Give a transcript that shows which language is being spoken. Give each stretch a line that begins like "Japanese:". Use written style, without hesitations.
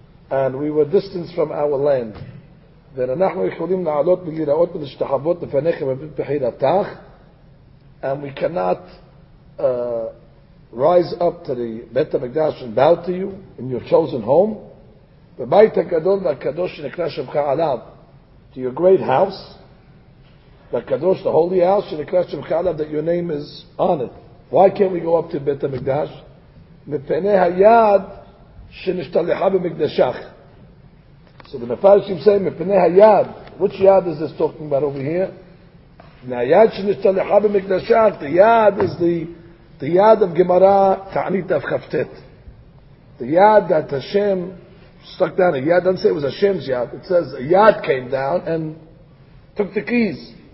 English: And we were distanced from our land.
Hebrew: ואנחנו יכולים לעלות ולראות ולהשתחוות לפניכם בבחירתך,
English: and we cannot rise up to the Beit HaMikdash and bow to you in your chosen home,
Hebrew: בבית הגדול והקדוש שנקרא שמך עליו,
English: to your great house, והקדוש, the holy house
Hebrew: שנקרא שמך עליו,
English: that your name is on it. Why can't we go up to Beit HaMikdash?
Hebrew: מפני היד שנשתלחה במקדשך.
English: So the Mefarshim say, "Mepnei Hayad." Which Yad is this talking about over here? Nayad shenishtalecha b'mikdashach. The Yad is the Yad of Gemara Ta'anit of Chavtet. The Yad that Hashem stuck down. The Yad doesn't say it was Hashem's Yad. It says a Yad came down and took the keys.